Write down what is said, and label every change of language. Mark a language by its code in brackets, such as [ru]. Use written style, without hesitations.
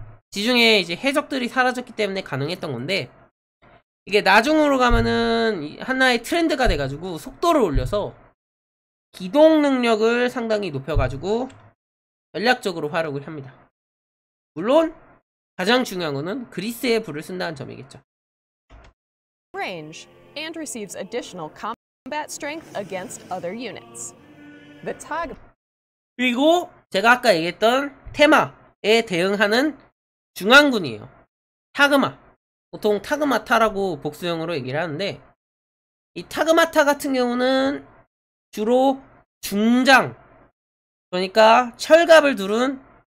[ko] 지중해 이제 해적들이 사라졌기 때문에 가능했던 건데 이게 나중으로 가면은 하나의 트렌드가 돼가지고 속도를 올려서 기동 능력을 상당히 높여가지고 전략적으로 활용을 합니다. 물론 가장 중요한 거는 그리스의 불을 쓴다는 점이겠죠. [en] Range and receives additional combat strength against other units. The tag [ko] 그리고 제가 아까 얘기했던 테마에 대응하는 중앙군이에요. 타그마. 보통 타그마타라고 복수형으로 얘기를 하는데 이 타그마타 같은 경우는 주로 중장 그러니까 철갑을 두른